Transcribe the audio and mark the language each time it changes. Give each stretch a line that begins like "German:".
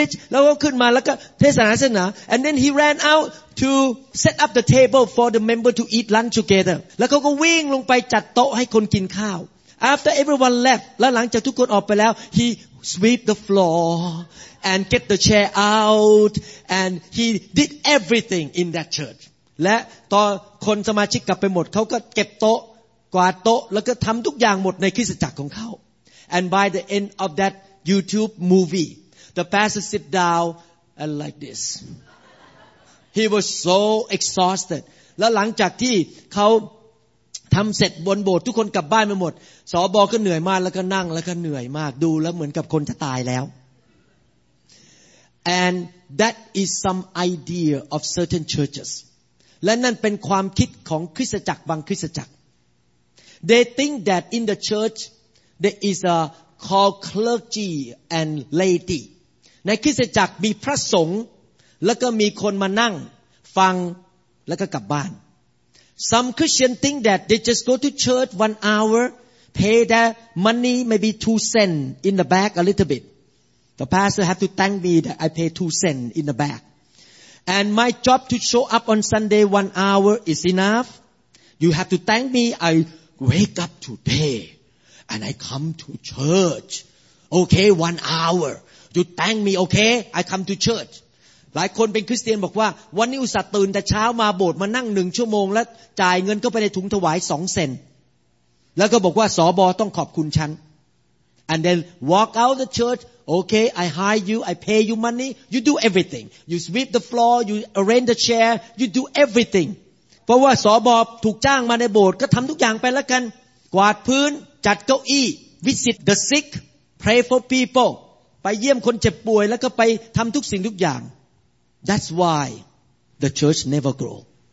Thai: แล้วก็ขึ้นมาแล้วก็เทศนาเสร็จนะ
English: And then he ran out to set up the table for the member to eat lunch together.
Thai: แล้วเขาก็วิ่งลงไปจัดโต๊ะให้คนกินข้าว
English: After everyone left,
Thai: แล้วหลังจากทุกคนออกไปแล้ว
English: he sweep the floor and get the chair out and he did everything in that church.
Thai: และตอนคนสมาชิกกลับไปหมดเขาก็เก็บโต๊ะกวาดโต๊ะแล้วก็ทำทุกอย่างหมดในคริสตจักรของเขา
English: And by the end of thatYouTube movie. The pastor sit down and like this. He He was so exhausted.
Thai: แล้วหลังจากที่เขาทำเสร็จบนโบสถ์ทุกคนกลับบ้านไปหมดสอบอก็เหนื่อยมากแล้วก็นั่งแล้วก็เหนื่อยมากดูแล้วเหมือนกับคนจะตายแล้ว
English: And that is some idea of certain churches.
Thai: และนั่นเป็นความคิดของคริสตจักรบางคริสตจักร
English: They think that in the church there is a called clergy and laity.
Thai: ในคริสตจักรมีพระสงฆ์แล้วก็มีคนมานั่งฟังแล้วก็กลับบ้าน
English: Some Christians think that they just go to church 1 hour, pay their money, maybe 2 cents in the back a little bit. The pastor have to thank me that I pay 2 cents in the back. And my job to show up on Sunday 1 hour is enough. You have to thank me. I wake up today and I come to church. Okay, 1 hour. You thank me, okay? I come to church.
Thai: หลายคนเป็นคริสเตียนบอกว่าวันนี้อุตส่าห์ตื่นแต่เช้ามาโบสถ์มานั่ง1 ชั่วโมงแล้วจ่ายเงินเข้าไปในถุงถวาย2 เซนต์แล้วก็บอกว่าสบต้องขอบคุณฉัน
English: and then walk out the church okay I hire you I pay you money you do everything you sweep the floor you arrange the chair you do everything
Thai: เพราะว่าสบถูกจ้างมาในโบสถ์ก็ทำทุกอย่างไปแล้วกันกวาดพื้นจัดเก้าอี้
English: visit the sick pray for people
Thai: ไปเยี่ยมคนเจ็บป่วยแล้วก็ไปทำทุกสิ่งทุกอย่าง
English: That's why the church never grow.